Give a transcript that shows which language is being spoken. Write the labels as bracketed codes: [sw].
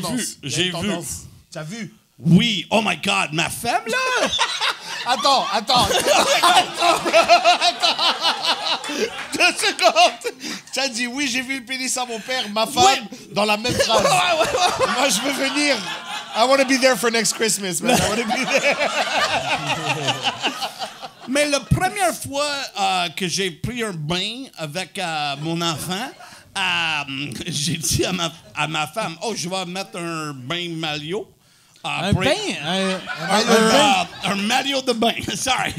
[fr] tendance. Vu. J'ai vu. T'as vu? Oui. [en] Oh my God, [fr] ma femme, là! Attends, attends. Attends. 2 secondes. Tu as dit, oui, j'ai vu le pénis à mon père, ma femme, ouais, dans la même phrase. Ouais, ouais, ouais. Moi, je veux venir. [en] I want to be there for next Christmas, man. I want to be there. [fr] Mais la première fois que j'ai pris un bain avec mon enfant, j'ai dit à ma femme, oh, je vais mettre un bain maillot. Un maillot de bain. [en] Sorry.